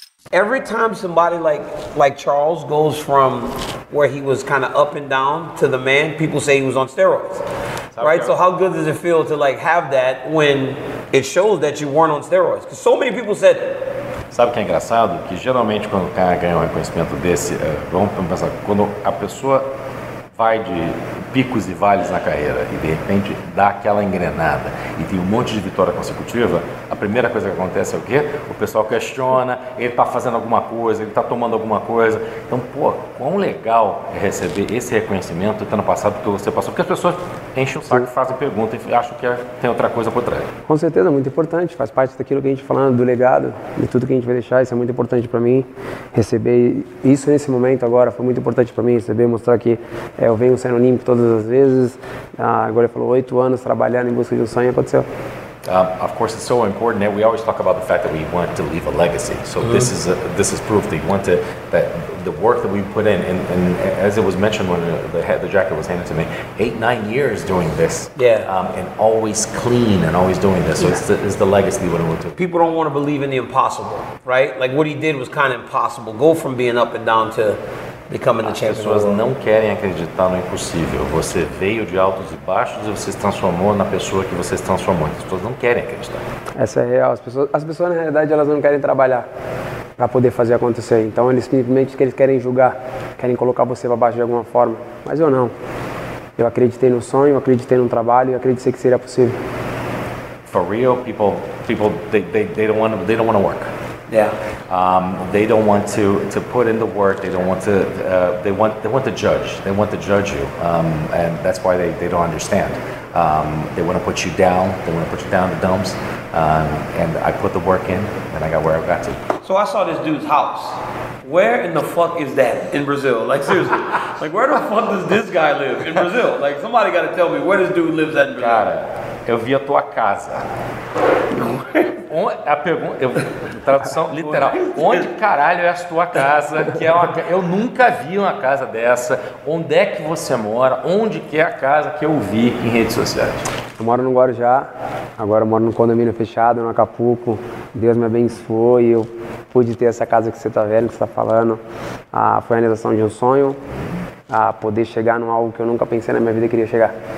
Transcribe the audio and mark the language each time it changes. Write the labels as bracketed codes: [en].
[en] Every time somebody like Charles goes from where he was kind of up and down to the man, people say he was on steroids, right? So how good does it feel to like have that when it shows that you weren't on steroids? Because so many people said. [pt] Sabe o que é engraçado? Que geralmente quando o cara ganha um reconhecimento desse, vamos pensar, quando a pessoa vai de picos e vales na carreira e de repente dá aquela engrenada e tem um monte de vitória consecutiva, a primeira coisa que acontece é o quê? O pessoal questiona, ele está fazendo alguma coisa, ele está tomando alguma coisa. Então, pô, quão legal é receber esse reconhecimento tendo passado o que você passou, porque as pessoas enchem o saco, fazem pergunta e acham que tem outra coisa por trás. Com certeza, muito importante, faz parte daquilo que a gente falando do legado, de tudo que a gente vai deixar, isso é muito importante para mim, receber isso nesse momento agora, foi muito importante para mim receber, mostrar que eu venho sendo olímpico todas as vezes, agora ele falou 8 anos trabalhando em busca de um sonho, aconteceu. [en] Of course, it's so important that we always talk about the fact that we want to leave a legacy. So mm-hmm. this is proof that you want to, that the work that we put in, and as it was mentioned when the jacket was handed to me, 8-9 years doing this, and always clean and always doing this. So it's the legacy that we want to. People don't want to believe in the impossible, right? Like what he did was kind of impossible. Go from being up and down to becoming the champion. [pt] As pessoas não querem acreditar no impossível. Você veio de altos e baixos e você se transformou na pessoa que você se transformou. As pessoas não querem acreditar. Essa é real. As pessoas, na realidade, elas não querem trabalhar para poder fazer acontecer. Então, eles simplesmente que eles querem julgar, querem colocar você para baixo de alguma forma. Mas eu não. Eu acreditei no sonho, eu acreditei no trabalho e acreditei que seria possível. [en] For real, people don't want to work. Yeah. They don't want to put in the work. They don't want to. They want to judge. They want to judge you. And that's why they don't understand. They want to put you down. They want to put you down the dumps. And I put the work in, and I got where I got to. So I saw this dude's house. Where in the fuck is that in Brazil? Like seriously, like where the fuck does this guy live in Brazil? Like somebody got to tell me where this dude lives at in Brazil. [pt] Cara, eu vi a tua casa. A pergunta, tradução literal, onde caralho é a sua casa, que é uma, eu nunca vi uma casa dessa, onde é que você mora, onde que é a casa que eu vi em redes sociais? Eu moro no Guarujá, agora eu moro num condomínio fechado, no Acapulco, Deus me abençoou e eu pude ter essa casa que você tá vendo, que você tá falando, foi a realização de um sonho, poder chegar num algo que eu nunca pensei na minha vida que queria chegar.